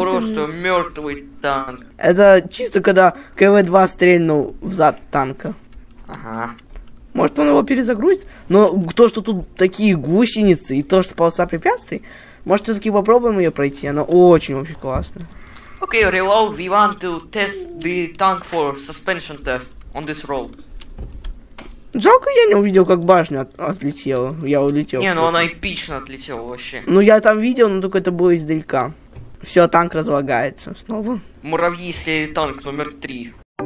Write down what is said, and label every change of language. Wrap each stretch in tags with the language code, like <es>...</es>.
<ru>Просто мёртвый танк. Это чисто когда КВ-2 стрельнул в зад танка. Ага. Может, он его перезагрузит? Но то, что тут такие гусеницы и то, что полоса препятствий, может, всё-таки попробуем её пройти? Она очень вообще классная.</ru> <en>Okay, reload, we want to test the tank for suspension test on this road.</en> <ru>Жалко, я не увидел, как башня отлетела. Я улетел. Не, ну она эпично отлетела вообще. Ну я там видел, но только это было издалека. Все, танк разлагается снова. Муравьи съели танк номер 3.</ru>